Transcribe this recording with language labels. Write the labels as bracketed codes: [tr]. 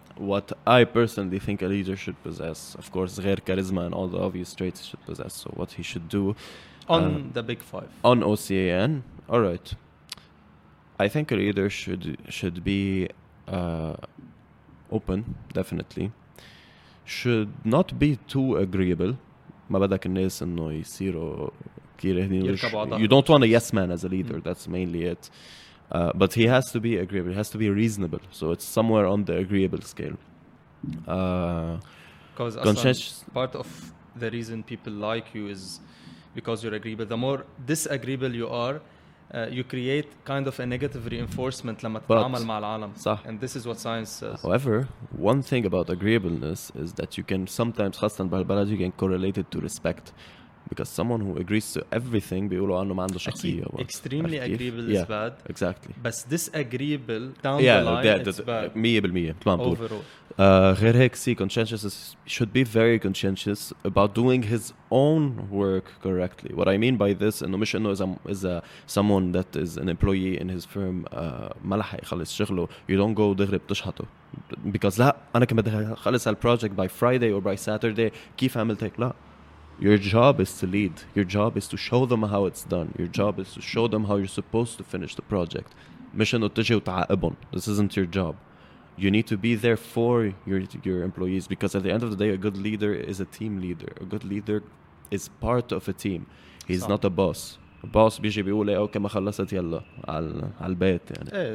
[en] What I personally think a leader should possess, of course, [ar] غير كاريزما [en] and all the obvious traits should possess. So what he should do on the big five on OCAN. All right. I think a leader should be open, definitely. Should not be too agreeable. [ar] ما بدك الناس إنه يصيروا كيرهنين. [en] You don't want a yes man as a leader. That's mainly it. But he has to be agreeable. He has to be reasonable. So it's somewhere on the agreeable scale. Because part of the reason people like you is because you're agreeable. The more disagreeable you are, you create kind of a negative reinforcement [ar] لما تتعامل مع العالم. صح. [en] And this is what science says. However, one thing about agreeableness is that you can sometimes, [ar] خاصة بالبلد, [en] you can correlate it to respect. Because someone who agrees to everything, [ar] بيقولوا عنه ما عنده شخصية. [en] Extremely agreeable yeah, is bad. Exactly. بس disagreeable down yeah, the line that, it's bad. 100%. Overall. [ar] غير هيك, [en] see, conscientious should be very conscientious about doing his own work correctly. What I mean by this, [ar] إنه مش إنه إذا [en] someone that is an employee in his firm [ar] ما لحق يخلص شغله, [en] you don't go [ar] دغري بتشحطه. [en] Because [ar] لا, أنا كم بدي خلص هالproject [en] by Friday or by Saturday, [ar] كيف عملت هيك؟ لا. [en] Your job is to lead. Your job is to show them how it's done. Your job is to show them how you're supposed to finish the project. This isn't your job. You need to be there for your employees, because at the end of the day, a good leader is a team leader. A good leader is part of a team. He's not a boss. A boss [ar] بيجي بيقول اوكي ما خلصت يلا على البيت يعني.